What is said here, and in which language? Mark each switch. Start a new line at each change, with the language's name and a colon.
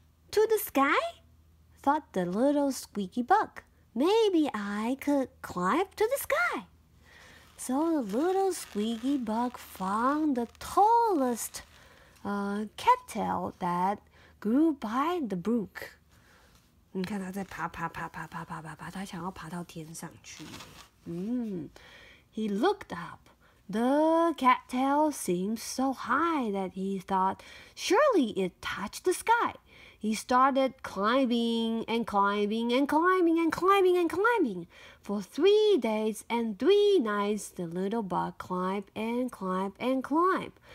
English: To the sky? Thought the little squeaky bug. Maybe I could climb to the sky. So the little squeaky bug found the tallest cattail that grew by the brook.
Chinese: 你看他在爬爬爬爬爬爬爬爬，他想要爬到天上去。
English: 嗯、He looked up. The cattail seemed so high that he thought surely it touched the sky. He started climbing and climbing and climbing and climbing and climbing. For 3 days and 3 nights, the little bug climbed and climbed and climbed.